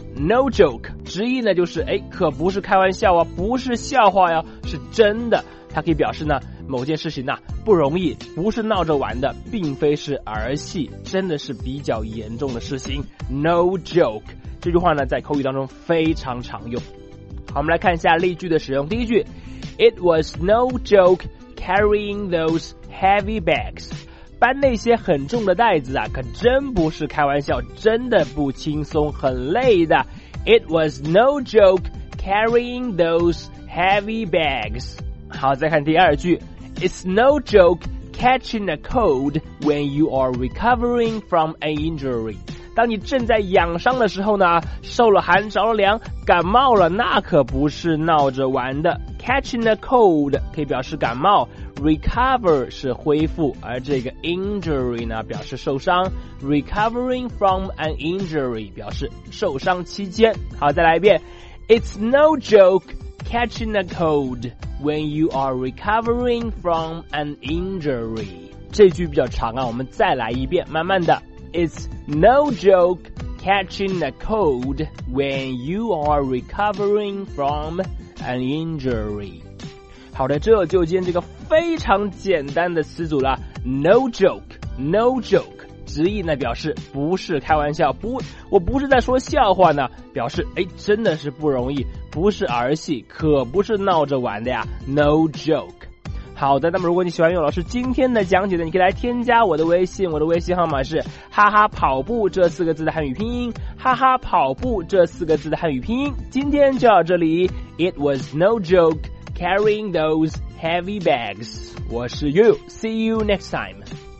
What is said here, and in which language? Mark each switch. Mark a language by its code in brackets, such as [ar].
[en] No joke， [zh] 直译呢就是哎，可不是开玩笑啊，不是笑话呀，是真的。它可以表示呢某件事情呢不容易，不是闹着玩的，并非是儿戏，真的是比较严重的事情。 [en] No joke， [zh] 这句话呢在口语当中非常常用。好，我们来看一下例句的使用。第一句 [en] ，It was no joke carrying those heavy bags。 [zh] 搬那些很重的袋子啊，可真不是开玩笑，真的不轻松，很累的。 [en] It was no joke carrying those heavy bags. [zh] 好，再看第二句。 [en] It's no joke catching a cold when you are recovering from an injury. [zh] 当你正在养伤的时候呢，受了寒着了凉，感冒了，那可不是闹着玩的。 [en] Catching a cold [zh] 可以表示感冒， recover 是恢复，而这个 injury 呢表示受伤， [en] recovering from an injury [zh] 表示受伤期间。好，再来一遍。 [en] It's no joke catching a cold when you are recovering from an injury. [zh] 这句比较长啊，我们再来一遍，慢慢的。 [en] It's no joke catching a cold when you are recovering fromAn injury. [zh] 好的，这就今天这个非常简单的词组了。 [en] No joke, no joke, [zh] 直译呢表示不是开玩笑，我不是在说笑话呢，表示哎真的是不容易，不是儿戏，可不是闹着玩的呀。 [en] No joke. [zh] 好的，那么如果你喜欢用老师今天的讲解呢，你可以来添加我的微信，我的微信号码是哈哈跑步这四个字的汉语拼音，哈哈跑步这四个字的汉语拼音。今天就到这里。 [en] It was no joke carrying those heavy bags. [zh] 我是 [en] You. See you next time.